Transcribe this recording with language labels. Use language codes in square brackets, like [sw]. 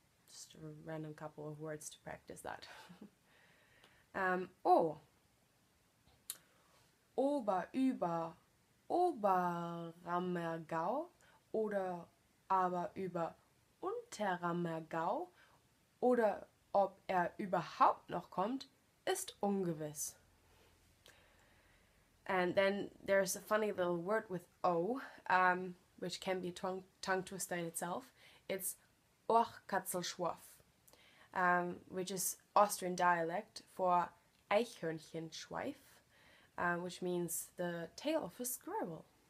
[en] Just a random couple of words to practice that. O. [de] Ober, über, Oberammergau oder aber über Unterammergau oder ob er überhaupt noch kommt, ist ungewiss. [en] And then there's a funny little word with O. Which can be a tongue twister in itself. It's Ohrkatzelschwurf, which is Austrian dialect for Eichhörnchenschweif, which means the tail of a squirrel.